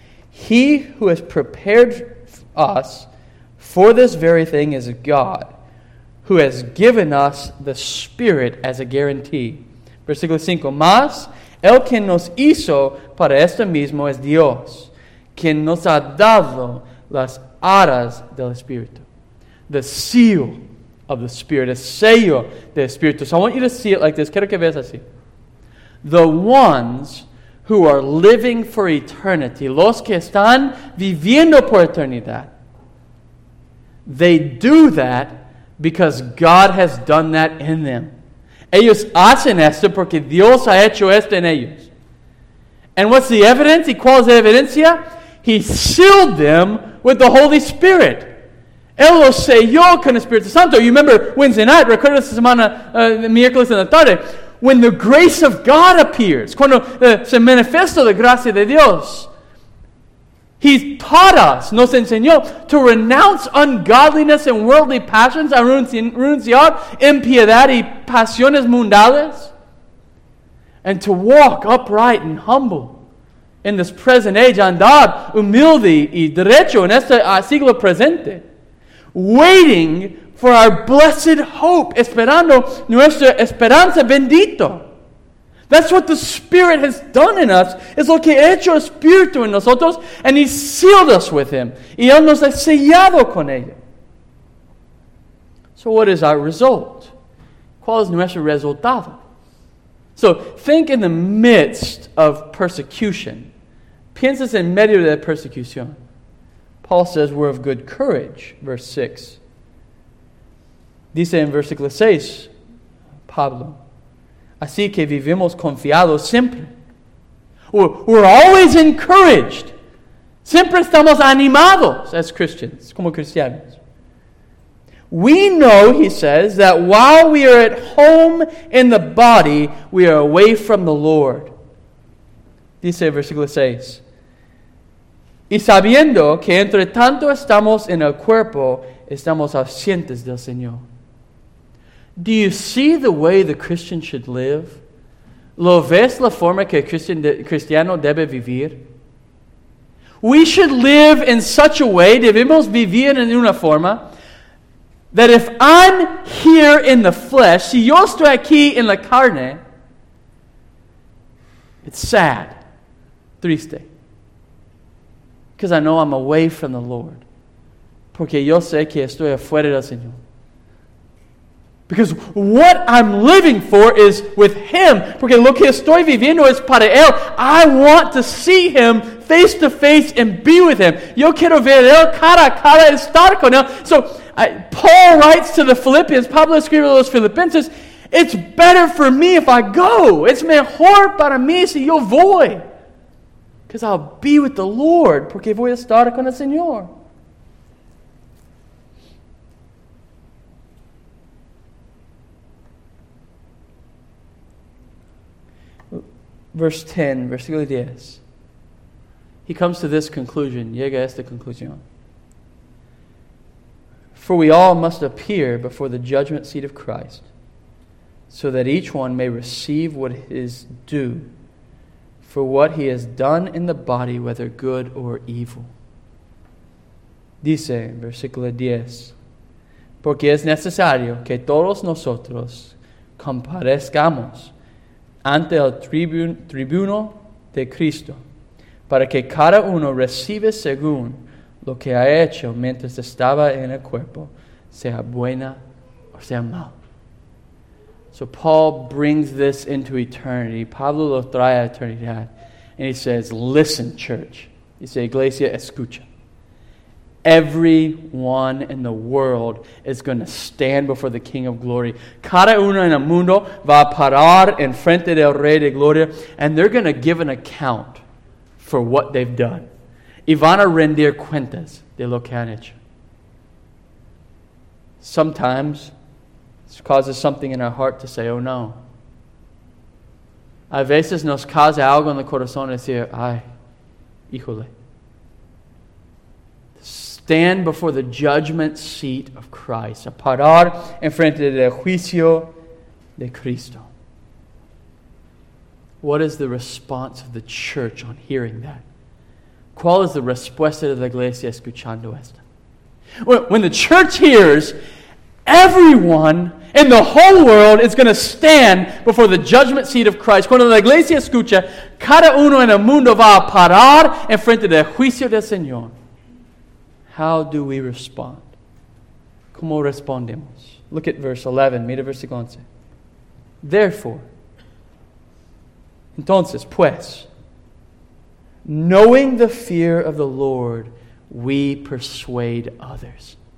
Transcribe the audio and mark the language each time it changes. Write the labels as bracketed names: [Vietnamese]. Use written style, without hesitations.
[English] He who has prepared us for this very thing is God, who has given us the Spirit as a guarantee. [Spanish] Versículo 5. Más el que nos hizo para esto mismo es Dios, quien nos ha dado las arras del Espíritu. [English] The seal of the Spirit, [Spanish] el sello del Espíritu. [English] So I want you to see it like this. [Spanish] Quiero que veas así. [English] The ones who are living for eternity, [Spanish] los que están viviendo por eternidad, [English] they do that because God has done that in them. [Spanish] Ellos hacen esto porque Dios ha hecho esto en ellos. [English] And what's the evidence? [Spanish] ¿Y cuál es la evidencia? [English] He sealed them with the Holy Spirit. [Spanish] Él los selló con el Espíritu Santo. [English] You remember Wednesday night, [Spanish] recuerda la semana, miércoles en la tarde, [English] when the grace of God appears, [Spanish] cuando se manifiesta la gracia de Dios, [English] He taught us, [Spanish] nos enseñó, [English] to renounce ungodliness and worldly passions, [Spanish] a renunciar impiedad y pasiones mundales, [English] and to walk upright and humble in this present age, [Spanish] andar humilde y derecho en este siglo presente, [English] waiting for our blessed hope, [Spanish] esperando nuestra esperanza bendito. [English] That's what the Spirit has done in us. [Spanish] Es lo que ha hecho el Espíritu en nosotros. [English] And He sealed us with Him. [Spanish] Y Él nos ha sellado con ella. [English] So what is our result? [Spanish] ¿Cuál es nuestro resultado? [English] So think in the midst of persecution. [Spanish] Piensas en medio de la persecución. [English] Paul says we're of good courage. Verse 6. [Spanish] Dice en versículo 6, Pablo. Así que vivimos confiados siempre. [English] We're always encouraged. [Spanish] Siempre estamos animados [English] as Christians, [Spanish] como cristianos. [English] We know, he says, that while we are at home in the body, we are away from the Lord. [Spanish] Dice versículo 6. Y sabiendo que entre tanto estamos en el cuerpo, estamos ausentes del Señor. [English] Do you see the way the Christian should live? [Spanish] ¿Lo ves la forma que cristiano debe vivir? [English] We should live in such a way, [Spanish] debemos vivir en una forma, [English] that if I'm here in the flesh, [Spanish] si yo estoy aquí en la carne, [English] it's sad, [Spanish] triste. [English] Because I know I'm away from the Lord. [Spanish] Porque yo sé que estoy afuera del Señor. [English] Because what I'm living for is with Him. [Spanish] Porque lo que estoy viviendo es para Él. [English] I want to see Him face to face and be with Him. [Spanish] Yo quiero ver Él cara a cara y estar con Él. [English] So, Paul writes to the Philippians, [Spanish] Pablo escribe a los Filipenses, [English] it's better for me if I go. It's [Spanish] mejor para mí si yo voy. [English] Because I'll be with the Lord. [Spanish] Porque voy a estar con el Señor. [English] Verse 10, [Spanish] versículo 10. [English] He comes to this conclusion. [Spanish] Llega a esta conclusión. [English] For we all must appear before the judgment seat of Christ, so that each one may receive what is due for what he has done in the body, whether good or evil. [Spanish] Dice, versículo 10. Porque es necesario que todos nosotros comparezcamos ante el tribuno de Cristo, para que cada uno reciba según lo que ha hecho mientras estaba en el cuerpo, sea buena o sea mal. [English] So Paul brings this into eternity. [Spanish] Pablo lo trae a eternidad. [English] And he says, listen, church. He says, [Spanish] iglesia, escucha. [English] Everyone in the world is going to stand before the King of Glory. [Spanish] Cada uno en el mundo va a parar en frente del Rey de Gloria. [English] And they're going to give an account for what they've done. [Spanish] Y van a rendir cuentas de lo que han hecho. [English] Sometimes, this causes something in our heart to say, oh no. [Spanish] A veces nos causa algo en el corazón decir, ay, híjole. [English] Stand before the judgment seat of Christ. [Spanish] A parar en frente del juicio de Cristo. [English] What is the response of the church on hearing that? [Spanish] ¿Cuál es la respuesta de la iglesia escuchando esto? [English] When the church hears, everyone in the whole world is going to stand before the judgment seat of Christ. [Spanish] Cuando la iglesia escucha, cada uno en el mundo va a parar en frente del juicio del Señor. [English] How do we respond? [Spanish] ¿Cómo respondemos? [English] Look at verse 11. [Spanish] Mira versículo 11. [English] Therefore, [Spanish] entonces, pues, [English] knowing the fear of the Lord, we persuade others.